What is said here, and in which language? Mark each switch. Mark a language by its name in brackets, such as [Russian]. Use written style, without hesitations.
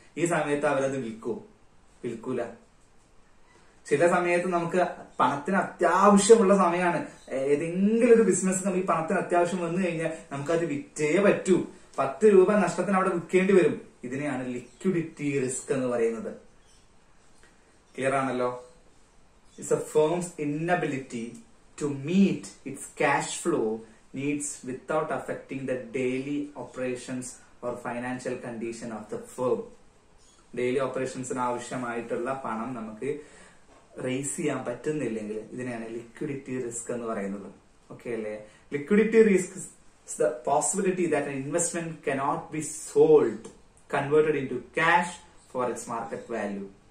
[Malayalam] ഈ സമയത്ത് അവരത് വിൽക്കൂ? വിൽക്കൂല. ചില സമയത്ത് നമുക്ക് പണത്തിന് അത്യാവശ്യമുള്ള സമയമാണ്, ഏതെങ്കിലും ഒരു ബിസിനസ് നമ്മൾ ഈ പണത്തിന് അത്യാവശ്യം വന്നു കഴിഞ്ഞാൽ നമുക്കത് വിറ്റേ പറ്റൂ. 10 രൂപ നഷ്ടത്തിന് അവിടെ വിൽക്കേണ്ടി വരും. ഇതിനെയാണ് ലിക്വിഡിറ്റി റിസ്ക് എന്ന് പറയുന്നത്. ക്ലിയർ ആണല്ലോ. [English] It's a firm's inability to meet its cash flow needs without affecting the daily operations or financial condition of the firm. [Malayalam] Daily ഓപ്പറേഷൻസിന് ആവശ്യമായിട്ടുള്ള പണം നമുക്ക് റേസ് ചെയ്യാൻ പറ്റുന്നില്ലെങ്കിൽ ഇതിനെയാണ് ലിക്വിഡിറ്റി റിസ്ക് എന്ന് പറയുന്നത്. ഓക്കെ അല്ലേ. [English] Liquidity risk is the possibility that investment cannot be sold converted into cash for its market value.